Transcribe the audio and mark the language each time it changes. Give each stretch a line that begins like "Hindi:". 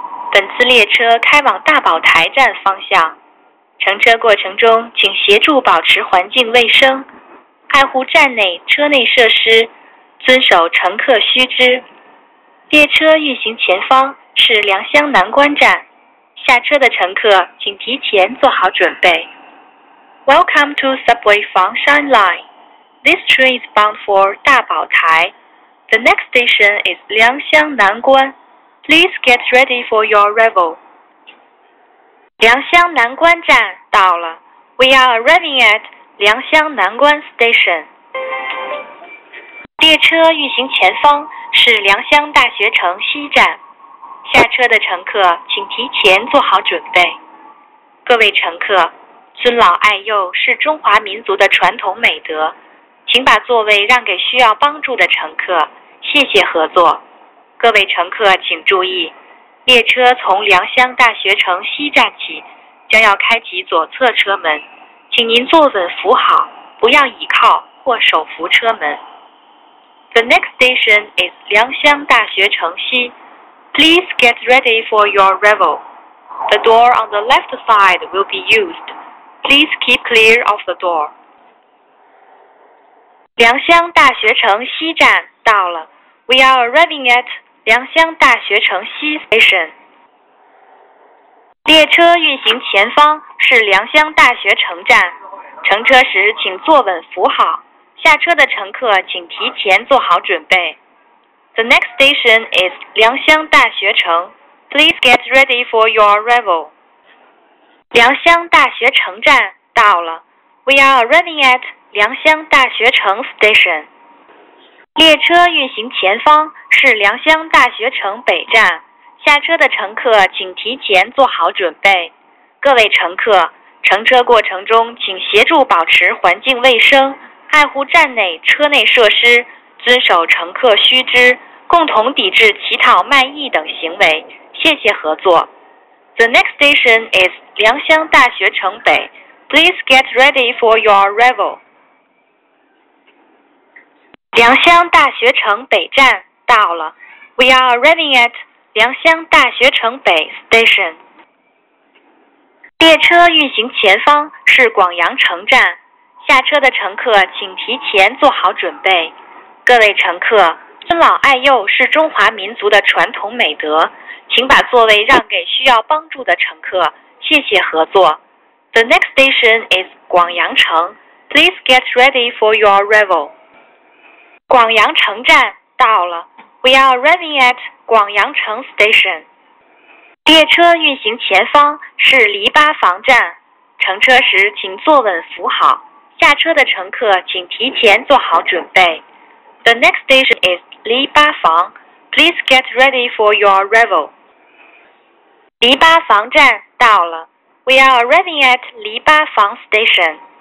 Chinese: 本次列车开往大宝台站方向。乘车过程中，请协助保持环境卫生，爱护站内车内设施，遵守乘客须知。列车运行前方是良乡南关站，下车的乘客请提前做好准备。
English: Welcome to Subway Fangshan Line. This train is bound for 大宝台。 The next station is 良乡南关。 Please get ready for your arrival.
Chinese: 良乡南关站到了。
English: We are arriving at 良乡南关 station.
Chinese: 列车运行前方是良乡大学城西站。下车的乘客请提前做好准备。各位乘客，尊老爱幼是中华民族的传统美德，请把座位让给需要帮助的乘客，谢谢合作。各位乘客请注意，列车从良乡大学城西站起将要开启左侧车门，请您坐稳扶好，不要倚靠或手扶车门。
English: The next station is 良乡大学城西。 Please get ready for your arrival. The door on the left side will be used. Please keep clear of the door.
Chinese: 良乡大学城西站到了。
English: We are arriving at 良乡大学城西 station.
Chinese: 列车运行前方是良乡大学城站，乘车时请坐稳扶好，下车的乘客请提前做好准备。
English: The next station is 良乡大学城。 Please get ready for your arrival.
Chinese: 良乡大学城站到了。
English: We are arriving at 良乡大学城 station.
Chinese: 列车运行前方是良乡大学城北站，下车的乘客请提前做好准备。各位乘客，乘车过程中请协助保持环境卫生，爱护站内车内设施，遵守乘客须知，共同抵制乞讨卖艺等行为，谢谢合作。
English: The next station is 良乡大学城北。 Please get ready for your arrival.
Chinese: 良乡大学城北站到了。
English: We are arriving at 良乡大学城北 station.
Chinese: 列车运行前方是广阳城站，下车的乘客请提前做好准备。各位乘客，尊老爱幼是中华民族的传统美德，请把座位让给需要帮助的乘客，谢谢合作。
English: The next station is 广阳城。 Please get ready for your arrival. 广阳城站到了。 We are arriving at 广阳城 station.
Chinese: 列车运行前方是篱笆房站，乘车时请坐稳扶好，下车的乘客请提前做好准备。
English: The next station is 篱笆房。 Please get ready for your arrival.
Chinese: 篱笆房站到了。
English: We are arriving at 篱笆房 station.